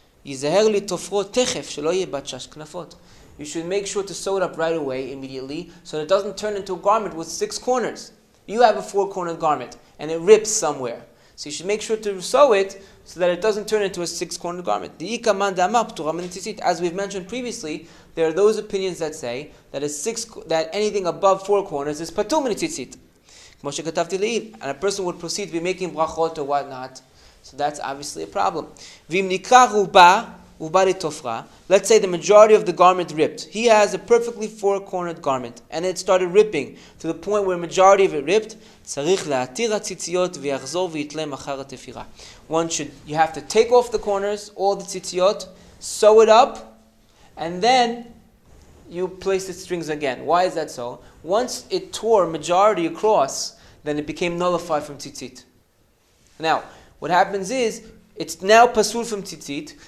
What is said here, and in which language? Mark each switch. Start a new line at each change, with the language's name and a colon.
Hebrew: יזהר לתופרו תכף שלא יהיה בת שש כנפות.
English: You should make sure to sew it up right away, immediately, so that it doesn't turn into a garment with six corners. You have a four-cornered garment, and it rips somewhere. So you should make sure to sew it, so that it doesn't turn into a six-cornered garment.
Hebrew: דאיכא מאן דאמר פטורה מן תציצית.
English: As we've mentioned previously, there are those opinions that say that that anything above four corners is פטור מן תציצית.
Hebrew: כמו שכתבתי לעיל.
English: And a person would proceed to be making ברכות or whatnot. So that's obviously a problem.
Hebrew: V'im nikra ruba, ubari tofra.
English: Let's say the majority of the garment ripped. He has a perfectly four-cornered garment, and it started ripping to the point where majority of it ripped.
Hebrew: צריך להתיר הציציות ויחזור ויתלם אחר התפירה.
English: You have to take off the corners, all the tzitziot, sew it up, and then you place the strings again. Why is that so? Once it tore majority across, then it became nullified from tzitzit. Now, what happens is, it's now pasul from tzitzit.